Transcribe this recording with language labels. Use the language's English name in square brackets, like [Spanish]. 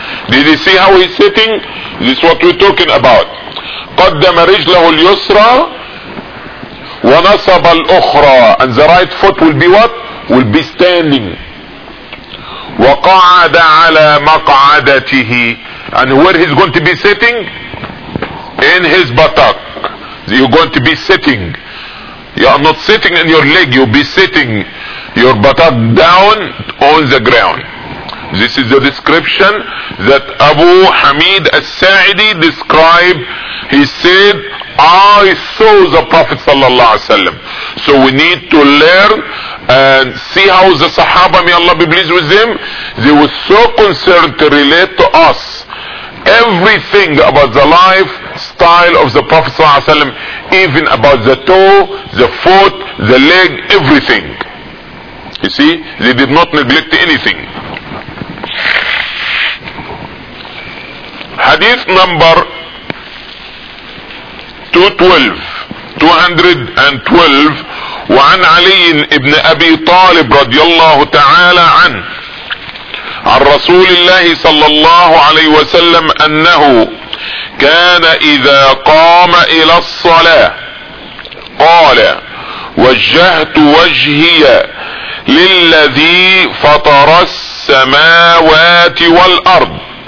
[English] Did you see how he's sitting? This is what we're talking about. [Arabic] قدم رجله اليسرى ونصب الأخرى. [English] And the right foot will be what? Will be standing. [Arabic] وقعد على مقعدته. [English] And where he's going to be sitting? In his buttock. You're going to be sitting. You are not sitting in your leg, you'll be sitting your buttock down on the ground. This is the description that Abu Hamid al-Sa'idi described. He said, I saw the Prophet sallallahu alaihi wasallam. So we need to learn and see how the Sahaba, may Allah be pleased with them, they were so concerned to relate to us everything about the life style of the Prophet sallallahu alaihi wasallam, even about the toe, the foot, the leg, everything. You see, they did not neglect anything. Hadith number 212, [Arabic] وعن علي ابن أبي طالب رضي الله تعالى عن رسول الله صلى الله عليه وسلم أنه كان إذا قام إلى الصلاة قال وجهت وجهي للذي فطر السماوات والأرض